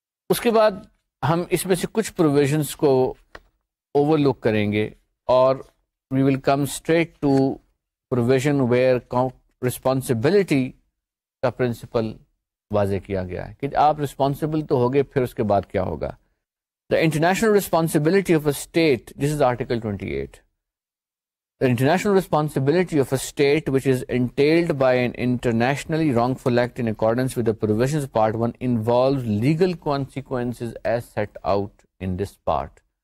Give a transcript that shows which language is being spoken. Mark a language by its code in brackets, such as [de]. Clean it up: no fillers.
[ur] اس کے بعد ہم اس میں سے کچھ پروویژنس کو اوور لک کریں گے اور [en] we will come straight to provision where [ur] responsibility کا پرنسپل واضح کیا گیا ہے کہ آپ رسپانسبل تو ہوگے پھر اس کے بعد کیا ہوگا. [en] The international responsibility of a state, this is article 28. The international responsibility of a state which is entailed by an internationally wrongful act in accordance with the provisions of part 1 involves legal consequences as set out in this part.